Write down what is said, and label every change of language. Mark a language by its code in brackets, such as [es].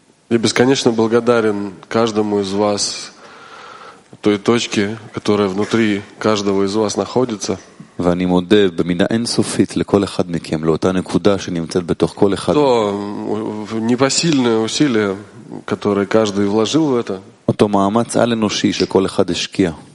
[ru] И бесконечно благодарен каждому из вас той точке, которая внутри каждого из вас находится. [he] ואני מודה במידה אינסופית לכל אחד מכם, לאותה נקודה שנמצאת בתוך כל אחד. [ru] То непосильное усилие, которое каждый вложил в это. [he] אותו מאמץ על אנושי שכל אחד השקיע.